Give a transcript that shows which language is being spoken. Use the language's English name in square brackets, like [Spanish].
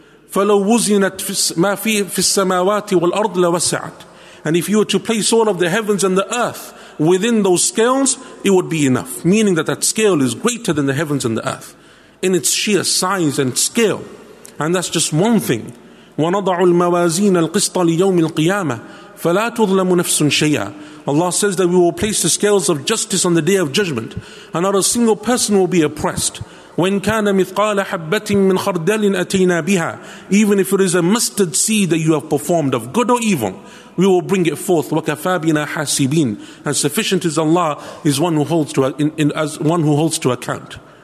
[Arabic] فَلَوْ وُزِنَتْ مَا فِي السَّمَاوَاتِ وَالْأَرْضِ لَوَسَعَتْ. [English] And if you were to place all of the heavens and the earth within those scales, it would be enough. Meaning that that scale is greater than the heavens and the earth in its sheer size and scale. And that's just one thing. [Arabic] ونضع الموازين القسط ليوم القيامة فلا تظلم نفس شيئا. [English] Allah says that we will place the scales of justice on the day of judgment, and not a single person will be oppressed. When [Arabic] كَانَ مِثْقَالَ حَبَّةٍ مِّنْ خَرْدَلٍ أَتَيْنَا بِهَا, [English] even if it is a mustard seed that you have performed of good or evil, we will bring it forth. [Arabic] وَكَفَى بِنَا حَاسِبِينَ, [English] and sufficient is Allah is one who holds to as one who holds to account.